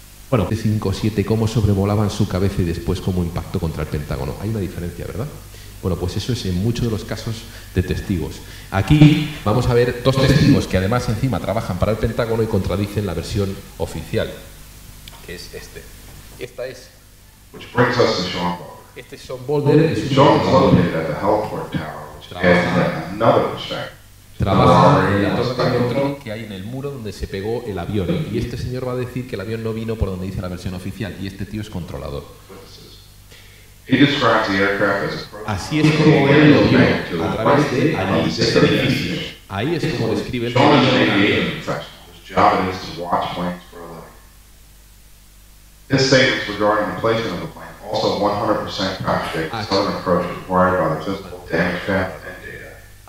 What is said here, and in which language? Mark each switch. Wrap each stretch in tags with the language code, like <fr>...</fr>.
<es>Bueno, de 5-7, cómo sobrevolaban su cabeza y después cómo impactó contra el Pentágono. Hay una diferencia, ¿verdad? Bueno, pues eso es en muchos de los casos de testigos. Aquí vamos a ver dos testigos que además encima trabajan para el Pentágono y contradicen la versión oficial. Es este. Esta es.</es> <en>Which brings us to Sean Boulder.</en> <es>Este es Sean Boulder. Es</es> <en>Sean is located at the Heliport Tower, which is another respect.</en> <es>Trabaja en la torre de control que hay en el muro donde se pegó el avión. Y este señor va a decir que el avión no vino por donde dice la versión oficial. Y este tío es controlador.</es> <en>He describes the aircraft as a</en> <es>Así es como él lo vio a través de allí. Ahí es como describe el avión.</es> <en>Sean is an aviation professional. His job is to watch planes. His statements regarding the placement of the plane also 100% contradict the southern approach required by the physical damage path and data.</en>